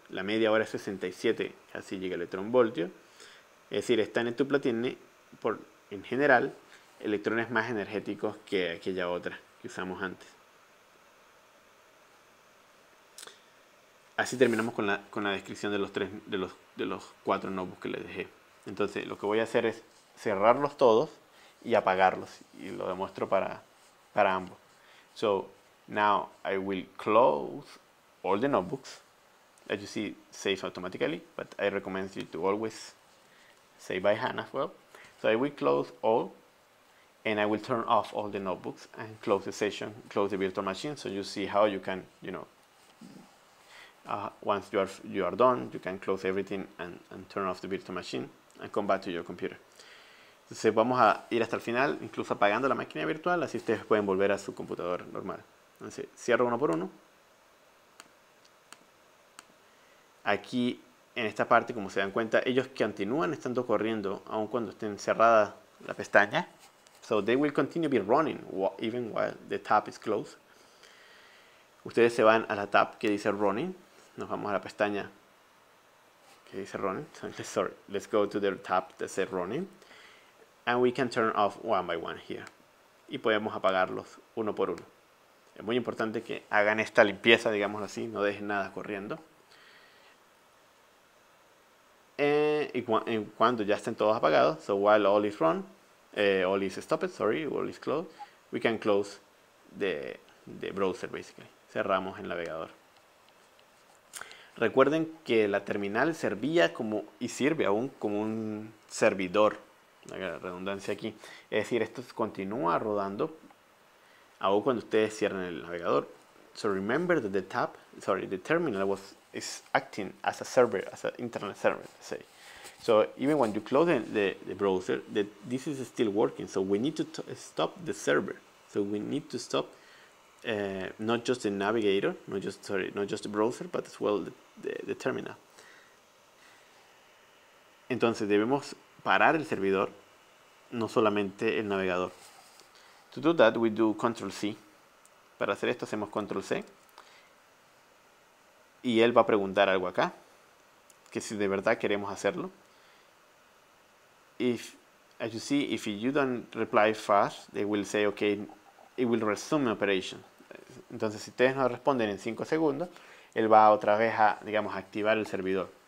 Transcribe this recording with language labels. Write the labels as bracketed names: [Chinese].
[Spanish] La media hora es 67, casi gigaelectronvoltio. Es decir, esta netupla tiene, en general, electrones más energéticos que aquella otra que usamos antes. Así terminamos con la descripción de los cuatro notebooks que les dejé. Entonces, lo que voy a hacer es cerrarlos todos y apagarlos. Y lo demuestro para ambos. [English] So now I will close all the notebooks. As you see, saves automatically, but I recommend you to always save by hand as well. So I will close all, and I will turn off all the notebooks and close the session, close the virtual machine. So you see how you can, once you are done, you can close everything and turn off the virtual machine and come back to your computer. [Spanish] Entonces vamos a ir hasta el final, incluso apagando la máquina virtual, así ustedes pueden volver a su computador normal. Entonces, cierro uno por uno. Aquí, en esta parte, como se dan cuenta, ellos continúan estando corriendo, aun cuando estén cerradas la pestaña. [English] So they will continue be running, even while the tab is closed. [Spanish] Ustedes se van a la tab que dice running. Nos vamos a la pestaña que dice running. [English] Sorry, let's go to the tab that says running. And we can turn off one by one here. [Spanish] Y podemos apagarlos uno por uno. Es muy importante que hagan esta limpieza, digamos así, no dejen nada corriendo. Y cuando ya estén todos apagados, [English] so while all is run, all is stopped, sorry, all is closed, we can close the browser, basically. [Spanish] Cerramos el navegador. Recuerden que la terminal servía como y sirve aún como un servidor, la redundancia aquí. Es decir, esto continúa rodando aún cuando ustedes cierren el navegador. [English] So remember that the terminal is acting as a server, as an internet server, let's say. So even when you close the browser, this is still working. So we need to stop the server. So we need to stop not just the navigator, not just the browser, but as well the terminal. [Spanish] Entonces debemos parar el servidor, no solamente el navegador. [English] To do that, we do Control C. [Spanish] Para hacer esto hacemos Control C. Y él va a preguntar algo acá, que si de verdad queremos hacerlo. [English] If, as you see, if you don't reply fast, they will say, okay, it will resume operation. [Spanish] Entonces, si ustedes no responden en 5 segundos, él va otra vez a, digamos, a activar el servidor.